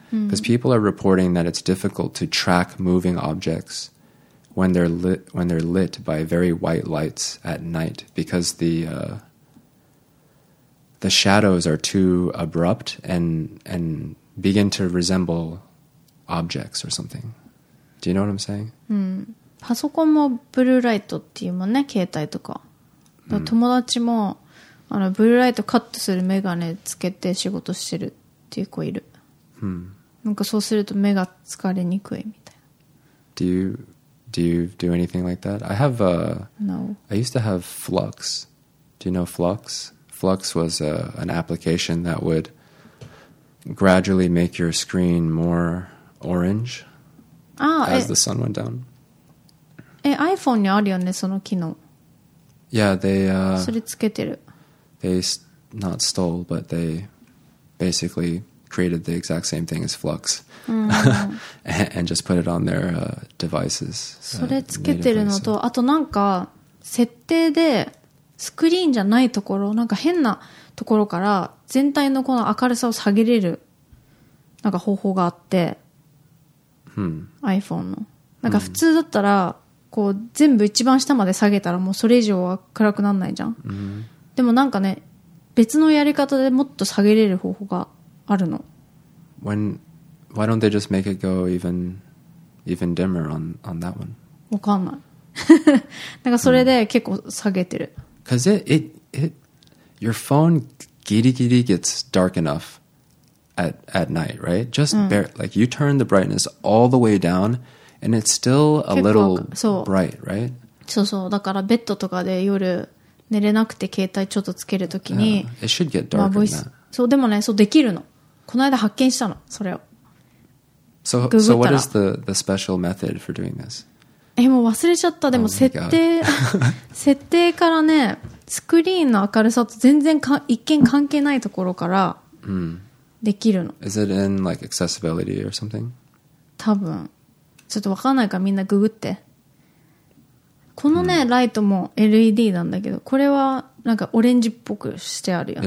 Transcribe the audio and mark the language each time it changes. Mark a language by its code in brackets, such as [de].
[en] Because people are reporting that it's difficult to track moving objects when they're lit by very white lights at night, because the shadows are too abrupt and begin to resemble objects or something. Do you know what I'm saying? [ja] パソコンもブルーライトっていうもんね、携帯とか。だから友達もあのブルーライトカットするメガネつけて仕事してるっていう子いる。なんかそうすると目が疲れにくいみたいな。 [en] Do you do anything like that? I have I used to have Flux. Do you know Flux? Flux was an application that would gradually make your screen more orange as the sun went down. [ja] iPhone にあるよね、その機能。 [en] Yeah, they [ja] それつけてる。 [en] They not stole, but they basically created the exact same thing as Flux and just put it on their devices. [ja] それつけてるのと、あとなんか設定でスクリーンじゃないところ、なんか変なところから全体のこの明るさを下げれるなんか方法があって、iPhone の。なんか普通だったらこう全部一番下まで下げたらもうそれ以上は暗くならないじゃん。でもなんかね、別のやり方でもっと下げれる方法があるの。 [en] Why don't they just make it go even dimmer on that one? [ja] わかんない。なんかそれで結構下げてる。 [en] Because it your phone giddy giddy gets dark enough at night, right? Just bare, like you turn the brightness all the way down and it's still a little bright, right? [ja] そうそう、だからベッドとかで夜寝れなくて携帯ちょっとつけるときに、 [en] it should get darker than that. [ja] そう、でもね、そうできるの。この間発見したの、それを。 [en] So what is the special method for doing this? [ja] もう忘れちゃった。でも設定、設定からね、スクリーンの明るさと全然か一見関係ないところからできるの。 [en] Is it in like accessibility or something? [ja] 多分。ちょっと分かんないからみんなググって。このね、ライトも LED なんだけど、これはなんかオレンジっぽくしてあるよね。